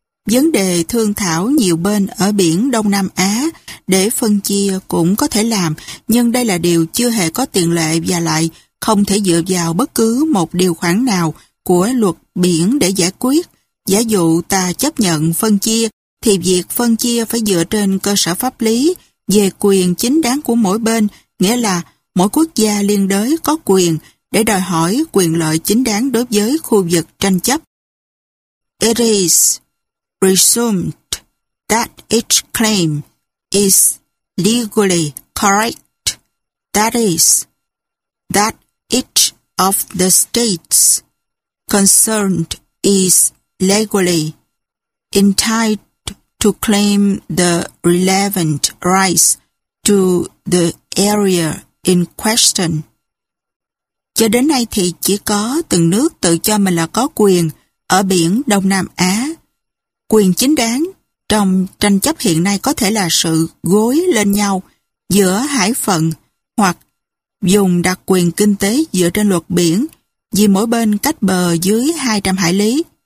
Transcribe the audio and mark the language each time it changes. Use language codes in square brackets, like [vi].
[vi] Vấn đề thương thảo nhiều bên ở biển Đông Nam Á để phân chia cũng có thể làm, nhưng đây là điều chưa hề có tiền lệ và lại không thể dựa vào bất cứ một điều khoản nào của luật biển để giải quyết. Giả dụ ta chấp nhận phân chia thì việc phân chia phải dựa trên cơ sở pháp lý về quyền chính đáng của mỗi bên, nghĩa là mỗi quốc gia liên đới có quyền để đòi hỏi quyền lợi chính đáng đối với khu vực tranh chấp. [en] It is presumed that each claim is legally correct, that is, that each of the states concerned is legally entitled to claim the relevant rights to the area in question. [vi] Cho đến nay thì chỉ có từng nước tự cho mình là có quyền ở biển Đông Nam Á. Quyền chính đáng trong tranh chấp hiện nay có thể là sự gối lên nhau giữa hải phận hoặc vùng đặc quyền kinh tế dựa trên luật biển vì mỗi bên cách bờ dưới 200 hải lý.